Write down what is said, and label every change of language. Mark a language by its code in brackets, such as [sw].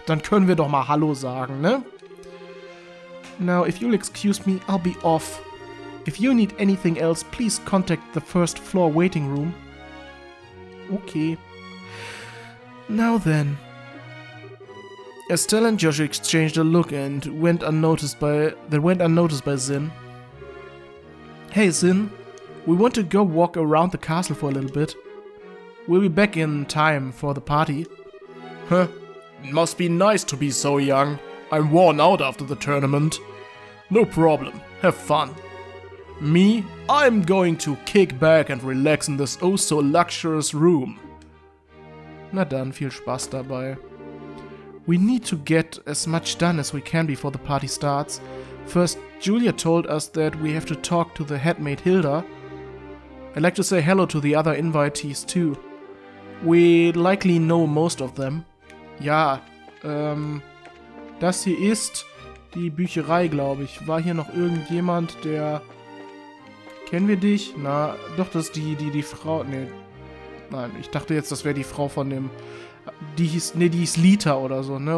[de] Dann können wir doch mal Hallo sagen, ne? [en] Now, if you'll excuse me, I'll be off. If you need anything else, please contact the first floor waiting room. Okay. Now then. Estelle and Josh exchanged a look and went unnoticed by Zinn. Hey, Zinn. We want to go walk around the castle for a little bit. We'll be back in time for the party. Huh. It must be nice to be so young. I'm worn out after the tournament. No problem. Have fun. Me? I'm going to kick back and relax in this oh-so-luxurious room. [de] Na dann, viel Spaß dabei. [en] We need to get as much done as we can before the party starts. First, Julia told us that we have to talk to the headmaid Hilda. I'd like to say hello to the other invitees too. We'd likely know most of them. [de] Ja, das hier ist die Bücherei, glaube ich. War hier noch irgendjemand, der... Kennen wir dich? Na, doch, das ist die Frau... Nee. Nein, ich dachte jetzt, das wäre die Frau von dem... Die hieß Lita oder so, ne?